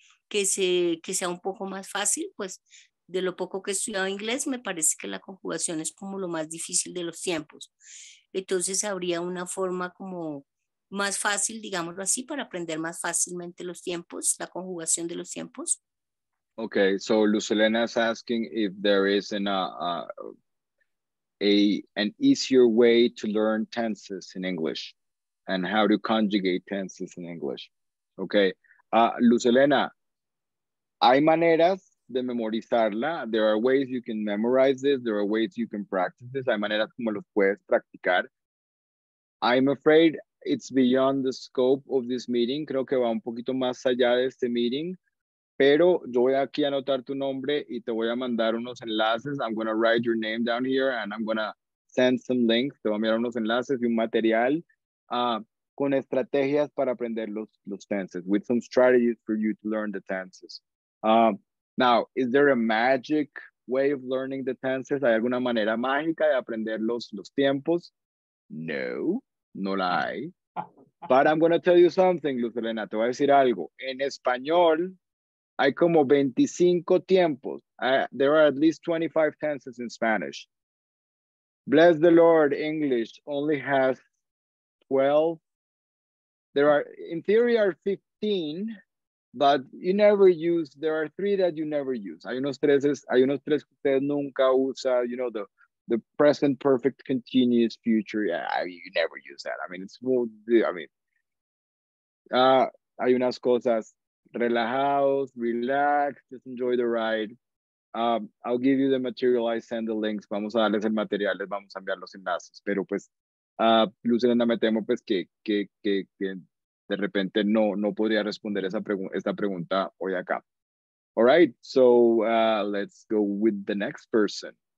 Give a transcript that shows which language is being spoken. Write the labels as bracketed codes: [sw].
[es] Que sea un poco más fácil, pues de lo poco que he estudiado inglés, me parece que la conjugación es como lo más difícil de los tiempos. Entonces habría una forma como más fácil, digámoslo así, para aprender más fácilmente los tiempos, la conjugación de los tiempos. [en] Okay, so Luz Elena is asking if there is an easier way to learn tenses in English and how to conjugate tenses in English. [es] Okay, Luz Elena, hay maneras de memorizarla. [en] There are ways you can memorize this. There are ways you can practice this. [es] Hay maneras como los puedes practicar. [en] I'm afraid it's beyond the scope of this meeting. [es] Creo que va un poquito más allá de este meeting. Pero yo voy aquí a anotar tu nombre y te voy a mandar unos enlaces. [en] I'm going to write your name down here and I'm going to send some links. [es] Te voy a enviar unos enlaces y un material con estrategias para aprender los tenses, [en] with some strategies for you to learn the tenses. Now, is there a magic way of learning the tenses? [es] ¿Hay alguna manera mágica de aprender los tiempos? No, no la hay. [en] But I'm going to tell you something, Luz Elena. [es] Te voy a decir algo. En español hay como 25 tiempos. [en] There are at least 25 tenses in Spanish. Bless the Lord, English only has 12. There are, in theory, are 15, but you never use, there are 3 that you never use. [es] Hay unos tres que usted nunca usa, [en] you know, the present perfect continuous future. Yeah, you never use that. I mean, it's more, I mean, [es] hay unas cosas. [en] Relajados, relax, just enjoy the ride. I'll give you the material, I send the links. [es] Vamos a darles el material, les vamos a enviar los enlaces. Pero pues, Luz Elena, me temo pues que de repente no podría responder esta pregunta hoy acá. [en] All right, so let's go with the next person.